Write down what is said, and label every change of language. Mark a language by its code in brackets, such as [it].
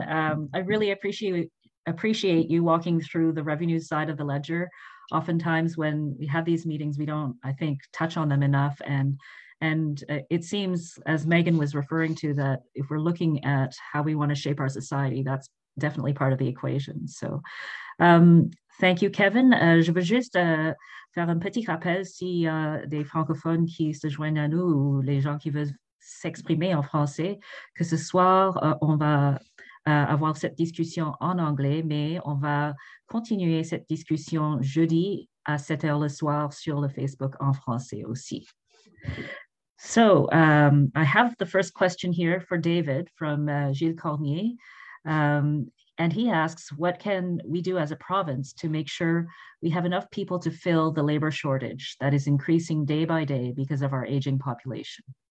[en] I really appreciate you walking through the revenue side of the ledger. Oftentimes when we have these meetings, we don't, I think, touch on them enough. And it seems, as Megan was referring to, that if we're looking at how we want to shape our society, that's definitely part of the equation. So thank you, Kevin. [fr] Je veux juste faire un petit rappel s'il y a des francophones qui se joignent à nous ou les gens qui veulent s'exprimer en français, que ce soir, on va avoir cette discussion en anglais, mais on va continuer cette discussion jeudi à 7 heures le soir sur le Facebook en français aussi. [en] So, I have the first question here for David from Gilles Cormier, and he asks, what can we do as a province to make sure we have enough people to fill the labor shortage that is increasing day by day because of our aging population?